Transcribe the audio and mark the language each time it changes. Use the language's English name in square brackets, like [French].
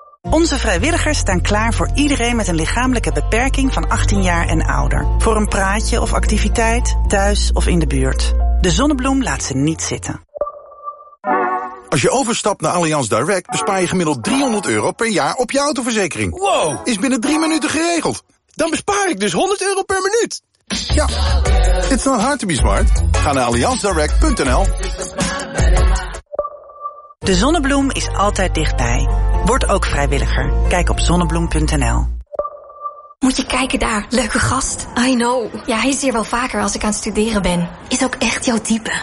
[Dutch] Onze vrijwilligers staan klaar voor iedereen met een lichamelijke beperking van 18 jaar en ouder. Voor een praatje of activiteit, thuis of in de buurt. De Zonnebloem laat ze niet zitten. Als je overstapt naar Allianz Direct, bespaar je gemiddeld €300 per jaar op je autoverzekering. Wow! Is binnen 3 minuten geregeld. Dan bespaar ik dus €100 per minuut. Ja, [English] it's not hard to be smart. [Dutch] Ga naar allianzdirect.nl. De Zonnebloem is altijd dichtbij. Word ook vrijwilliger. Kijk op zonnebloem.nl. Moet je kijken daar, leuke gast. [English] I know. [Dutch] Ja, hij is hier wel vaker als ik aan het studeren ben. Is ook echt jouw type.